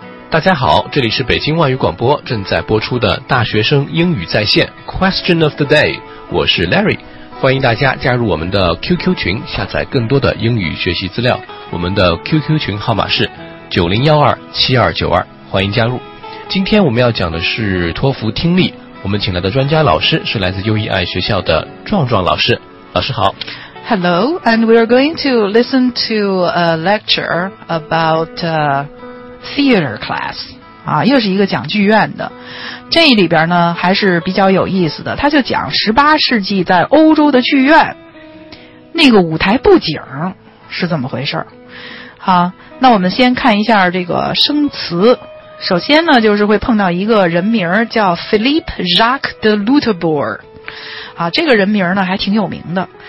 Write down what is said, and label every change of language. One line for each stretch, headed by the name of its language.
Chinese: 大家好，这里是北京外语广播正在播出的大学生英语在线 Question of the Day， 我是 Larry， 欢迎大家加入我们的 QQ 群，下载更多的英语学习资料。我们的 QQ 群号码是90127292，欢迎加入。今天我们要讲的是托福听力，我们请来的专家老师是来自优益爱学校的壮壮老师。老师好。
English: Hello, and we are going to listen to a lecture about theater class，
Chinese: 啊，又是一个讲剧院的。这里边呢还是比较有意思的，他就讲18世纪在欧洲的剧院那个舞台布景是怎么回事。好，那我们先看一下这个生词。首先呢就是会碰到一个人名叫 Philippe Jacques de Lutebourg，啊，这个人名呢还挺有名的。